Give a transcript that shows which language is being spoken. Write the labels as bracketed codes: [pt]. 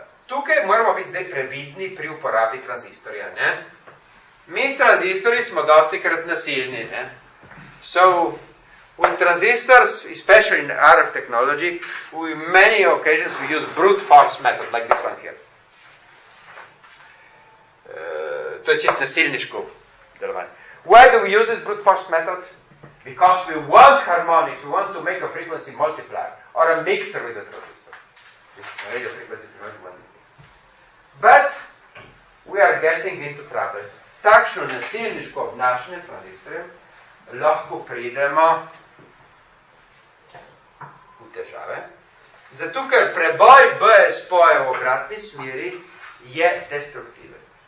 [sl] Tukaj moramo biti zdaj previdni pri uporabi tranzistorja, ne? Mi s tranzistorji smo dosti krat nasilni, ne? [en] So, when transistors, especially in RF technology, we many occasions we use brute force method, like this one here. [sl] To je čist nasilniško delovanje. [en] Why do we use this brute force method? Because we want harmonics, we want to make a frequency multiplier, or a mixer with the transistor. But we are getting into troubles. [sl] Takšno nasilniško obnašanje s tranzistorjem lahko pridemo v težave. Zato, ker preboj BE spoja v obratni smeri je destruktiven.